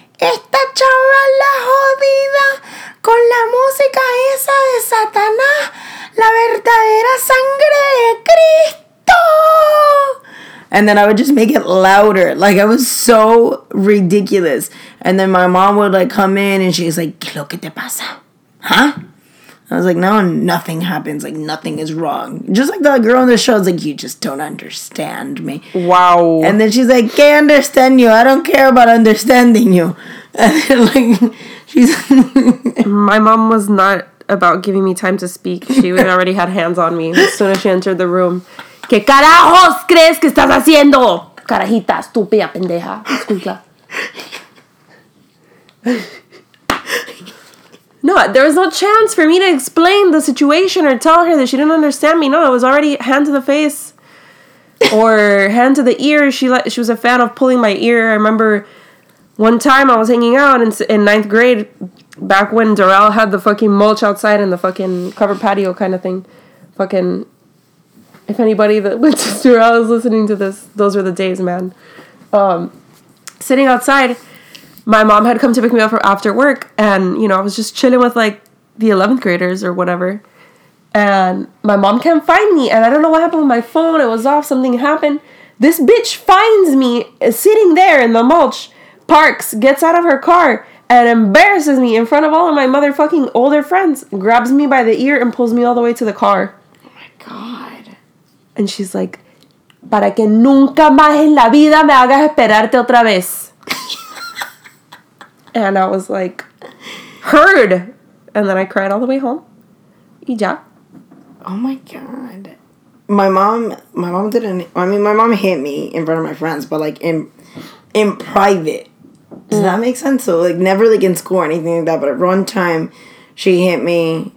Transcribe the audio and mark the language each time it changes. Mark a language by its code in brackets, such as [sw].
[es] Esta chava la jodida con la música esa de Satanás, la verdadera sangre de Cristo. [en] And then I would just make it louder. Like, I was so ridiculous. And then my mom would, like, come in and she's like, [es] ¿qué lo que te pasa? [en] Huh? I was like, no, nothing happens. Like, nothing is wrong. Just like the girl on the show is like, you just don't understand me. Wow. And then she's like, can't understand you. I don't care about understanding you. And then, like, she's... My mom was not about giving me time to speak. She already had hands on me as soon as she entered the room. [es] ¿Qué carajos crees que estás haciendo? Carajita, estúpida pendeja. Escucha. [en] No, there was no chance for me to explain the situation or tell her that she didn't understand me. No, it was already hand to the face or hand to the ear. She was a fan of pulling my ear. I remember one time I was hanging out in ninth grade, back when Darrell had the fucking mulch outside and the fucking covered patio kind of thing. Fucking If anybody that went to Stuart, I was listening to this. Those were the days, man. Sitting outside, my mom had come to pick me up for after work. And, you know, I was just chilling with, like, the 11th graders or whatever. And my mom can't find me. And I don't know what happened with my phone. It was off. Something happened. This bitch finds me sitting there in the mulch, parks, gets out of her car, and embarrasses me in front of all of my motherfucking older friends, grabs me by the ear, and pulls me all the way to the car. Oh, my God. And she's like, [es] para que nunca más en la vida me hagas esperarte otra vez. [en] And I was like, heard. And then I cried all the way home. [es] Y ya. [en] Oh, my God. My mom hit me in front of my friends, but, like, in private. Does that make sense? So, like, never, like, in school or anything like that, but at one time, she hit me.